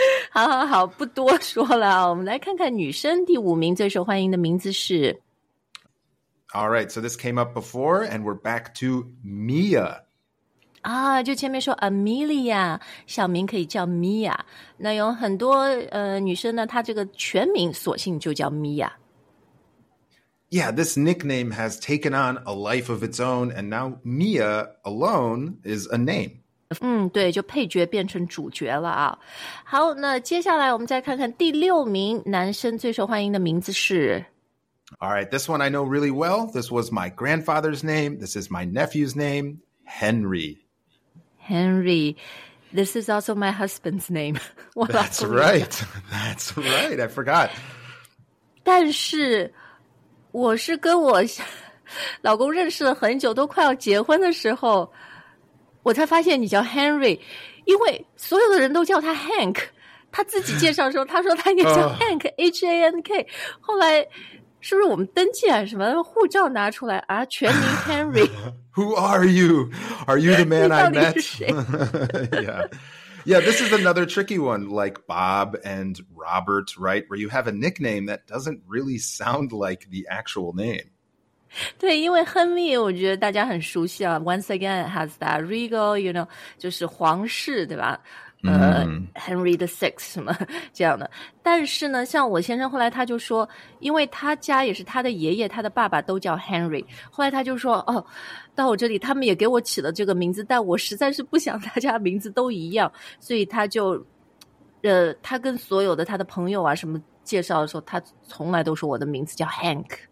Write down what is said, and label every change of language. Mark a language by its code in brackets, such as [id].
[zh] 好好好不多说了我们来看看女生第五名最受欢迎的名字是 [en] Alright, so this came up before and we're back to Mia. [zh] 啊，就前面说 Amelia, 小名可以叫 Mia。那有很多女生呢，她这个全名索性就叫 Mia。 [en] Yeah, this nickname has taken on a life of its own, and now Mia alone is a name. [zh] 嗯，对，就配角变成主角了啊。好，那接下来我们再看看第六名男生最受欢迎的名字是。 [en] All right, this one I know really well. This was my grandfather's name. This is my nephew's name. Henry. Henry. This is also my husband's name. That's right. That's right. I forgot. [zh] 但是我是跟我老公认识了很久都快要结婚的时候我才发现你叫 Henry. 因为所有的人都叫他 Hank. 他自己介绍的时候他说他也叫 Hank,、oh. H-A-N-K. 后来是不是我们登记啊什么护照拿出来啊全名 Henry. [en] Who are you? Are you the man I met? Yeah. Yeah, this is another tricky one like Bob and Robert, right? Where you have a nickname that doesn't really sound like the actual name. [zh] 对因为亨利我觉得大家很熟悉啊 [en] Once again, it has that regal, you know, [zh] 就是皇室对吧Henry the Sixth 什么这样的但是呢像我先生后来他就说因为他家也是他的爷爷他的爸爸都叫 Henry 后来他就说哦，到我这里他们也给我起了这个名字但我实在是不想大家名字都一样所以他就他跟所有的他的朋友啊什么介绍的时候他从来都说我的名字叫 Hank